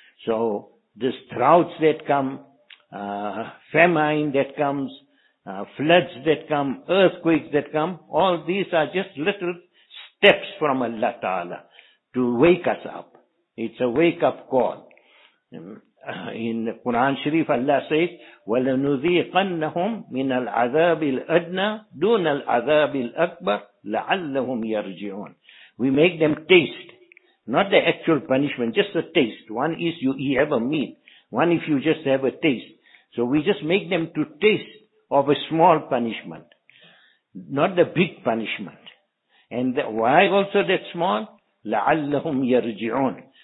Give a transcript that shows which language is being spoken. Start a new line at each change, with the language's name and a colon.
English: So this droughts that come, famine that comes, floods that come, earthquakes that come, all these are just little steps from Allah Ta'ala to wake us up. It's a wake-up call. in Quran Sharif, Allah says,
Arabic: وَلَنُذِيقَنَّهُمْ مِنَ الْعَذَابِ الْأَدْنَى دُونَ الْعَذَابِ الْأَكْبَرِ لَعَلَّهُمْ يَرْجِعُونَ.
English: We make them taste, not the actual punishment, just a taste. One is you have a meal, one if you just have a taste. So we just make them to taste of a small punishment, not the big punishment. And the, why also that small?
Arabic: لَعَلَّهُمْ يَرْجِعُونَ.